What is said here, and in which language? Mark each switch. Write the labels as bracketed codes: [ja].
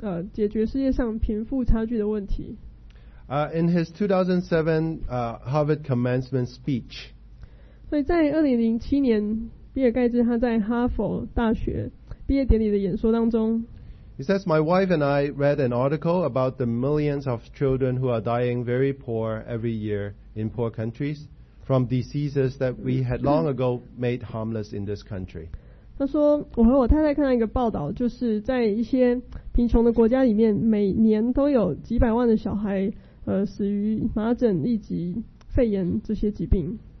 [zh] 他決定要幾乎捐出他所有的財產來解決世界上貧富差距的問題。 [en] In his 2007 Harvard commencement speech. [zh] 所以在2007年,比爾蓋茨他在哈佛大學畢業典禮的演說當中, [en] He says, My wife and I read an article about the millions of children who are dying very poor every year in poor countries from diseases that we had long ago made harmless in this country. [zh] 他說,我和我太太看到一個報導,就是在一些貧窮的國家裡面,每年都有幾百萬的小孩死於麻疹、痢疾、肺炎這些疾病。